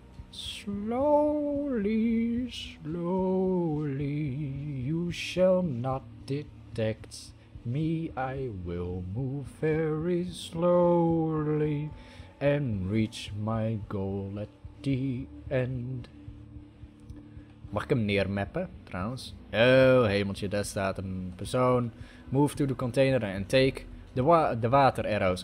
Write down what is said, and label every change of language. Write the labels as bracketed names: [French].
[English] Slowly, slowly, you shall not detect me. I will move very slowly and reach my goal at the end. [Dutch] Mag ik hem neermappen, trouwens? Oh, hemeltje, daar staat een persoon. [English] Move to the container and take the water arrows.